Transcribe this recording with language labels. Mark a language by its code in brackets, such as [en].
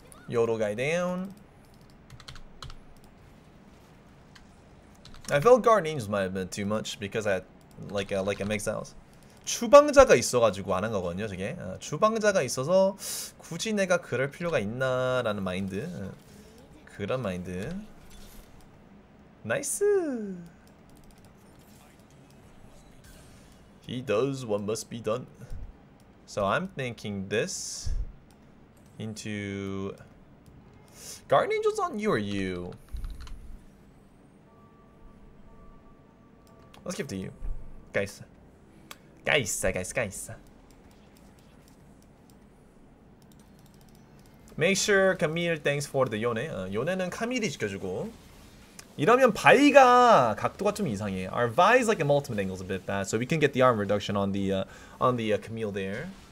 [en] 요로 guy down. I felt Guardian Angels might have been too much because I had like a mix out. [ko] 추방자가 있어가지고 안 한 거거든요, 저게. 추방자가 있어서 굳이 내가 그럴 필요가 있나라는 마인드. 그런 마인드. 나이스. [en] He does what must be done. So I'm thinking this into Guardian Angels on you or you. Let's give it to you. Guys. Guys, guys, guys. Make sure Camille thanks for the Yone. [ko] Yone는 Camille이 지켜주고. 이러면 바이가 각도가 좀 이상해. [en] Our Vi is like an ultimate angle is a bit bad. So we can get the arm reduction on the Camille there.